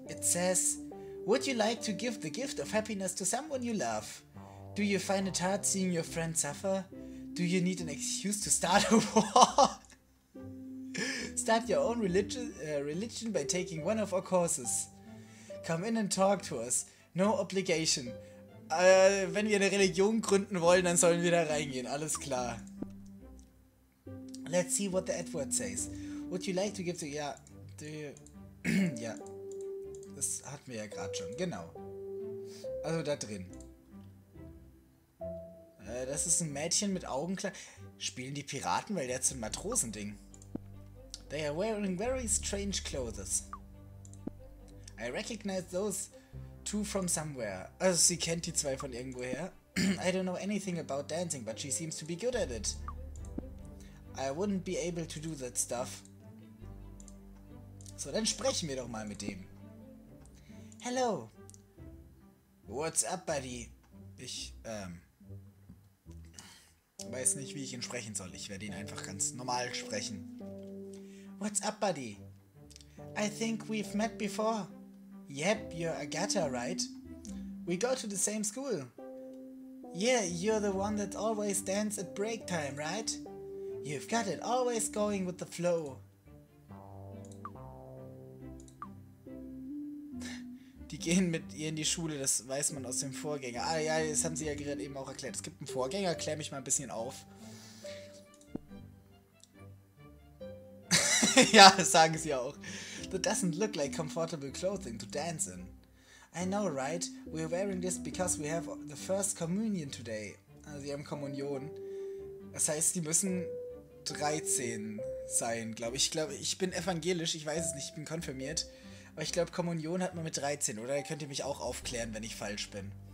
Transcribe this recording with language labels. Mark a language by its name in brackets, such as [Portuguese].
[English] It says, would you like to give the gift of happiness to someone you love? Do you find it hard seeing your friend suffer? Do you need an excuse to start a war? Start your own religion by taking one of our courses. Come in and talk to us. No obligation. [German] Wenn wir eine Religion gründen wollen, dann sollen wir da reingehen. Alles klar. [English] Let's see what the advert says. Would you like to give the... [German] Ja, [English] do you... [German] Ja, das hatten wir ja gerade schon. Genau. Also da drin. Das ist ein Mädchen mit Augenklappe. Spielen die Piraten, weil der jetzt ein Matrosending. [English] They are wearing very strange clothes. I recognize those two from somewhere. [German] Also sie kennt die zwei von irgendwoher. [English] I don't know anything about dancing, but she seems to be good at it. I wouldn't be able to do that stuff. [German] So, dann sprechen wir doch mal mit dem. [English] Hello. What's up, buddy? [German] Ich, weiß nicht, wie ich ihn sprechen soll. Ich werde ihn einfach ganz normal sprechen. [English] What's up, buddy? I think we've met before. Yep, you're Agatha, right? We go to the same school. Yeah, you're the one that always dance at break time, right? You've got it always going with the flow. [German] Die gehen mit ihr in die Schule, das weiß man aus dem Vorgänger. Ah ja, das haben sie ja gerade eben auch erklärt. Es gibt einen Vorgänger, klär mich mal ein bisschen auf. Ja, sagen sie auch. [English] That doesn't look like comfortable clothing to dance in. I know, right? We're wearing this because we have the first communion today. [German] Also sie haben Kommunion. Das heißt, sie müssen 13 sein, glaube ich. Ich glaube, ich bin evangelisch, ich weiß es nicht, ich bin konfirmiert. Aber ich glaube, Kommunion hat man mit 13, oder? Da könnt ihr mich auch aufklären, wenn ich falsch bin.